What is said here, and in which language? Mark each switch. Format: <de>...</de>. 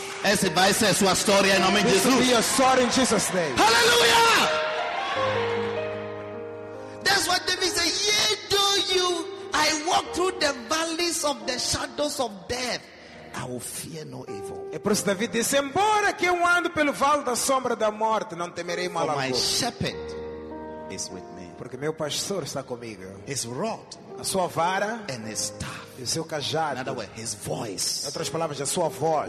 <pt>Essa vai ser a sua história em nome de Jesus.</pt> <en>This will be a story in Jesus' name. Hallelujah! That's what David said. Yea, though you, I walk through the valleys of the shadows of death. I will fear no evil.</en> <pt>E por isso David disse, embora que eu ando pelo vale da sombra da morte, não temerei mal algum.</pt> <en>For my shepherd is with me.</en> <pt>Porque meu pastor está comigo.</pt> <en>His rod,</en> <pt>a sua vara,</pt> <en>and his staff,</en> <pt>e seu cajado.</pt> <en>In other words, his voice.</en> <pt>Outras palavras, a sua voz.</pt>